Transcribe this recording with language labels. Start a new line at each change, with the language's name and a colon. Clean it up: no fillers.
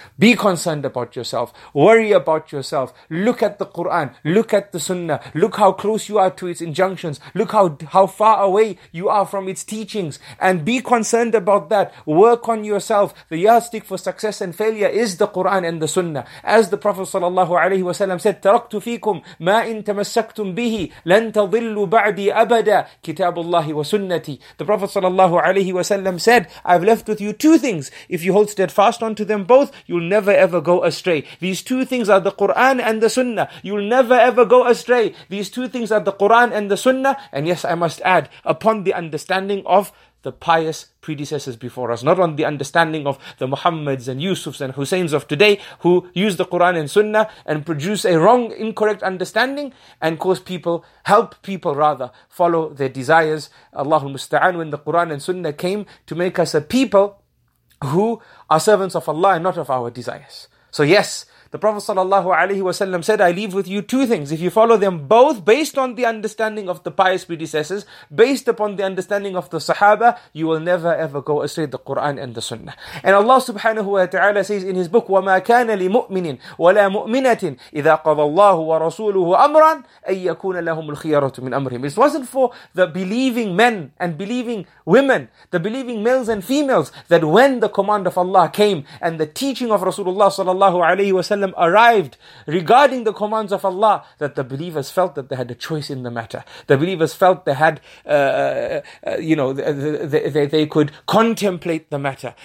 English: Be concerned about yourself. Worry about yourself. Look at the Quran. Look at the Sunnah. Look how close you are to its injunctions. Look how far away you are from its teachings. And be concerned about that. Work on yourself. The yardstick for success and failure is the Quran and the Sunnah. As the Prophet sallallahu alaihi wasallam said,
Arabic: تَرَكْتُ فِيكُمْ مَا إِن تَمَسَّكْتُمْ بِهِ لَن تَضِلُّ بَعْدِي أَبَدًا كِتَابُ اللَّهِ وَسُنَّتِي.
English: The Prophet sallallahu alaihi wasallam said, I've left with you two things. If you hold steadfast onto them both, you'll never ever go astray. These two things are the Quran and the Sunnah. You'll never ever go astray. These two things are the Quran and the Sunnah. And yes, I must add, upon the understanding of the pious predecessors before us, not on the understanding of the Muhammads and Yusufs and Husseins of today, who use the Quran and Sunnah and produce a wrong, incorrect understanding and help people follow their desires. Allahul Musta'an, when the Quran and Sunnah came to make us a people who are servants of Allah and not of our desires. So yes, The Prophet sallallahu alaihi wasallam said, I leave with you two things. If you follow them both based on the understanding of the pious predecessors, based upon the understanding of the Sahaba, you will never ever go astray, the Quran and the Sunnah. And Allah subhanahu wa ta'ala says in his book,
Arabic: وَمَا كَانَ لِمُؤْمِنٍ وَلَا مُؤْمِنَةٍ إِذَا قَضَى اللَّهُ وَرَسُولُهُ أَمْرًا أَن يَكُونَ لَهُمُ الْخِيَرَةُ مِنْ أَمْرِهِمْ.
English: It wasn't for the believing men and believing women, the believing males and females, that when the command of Allah came and the teaching of Rasulullah sallallahu alayhi wa sallam arrived regarding the commands of Allah, that the believers felt that they had a choice in the matter. The believers felt they had, they could contemplate the matter.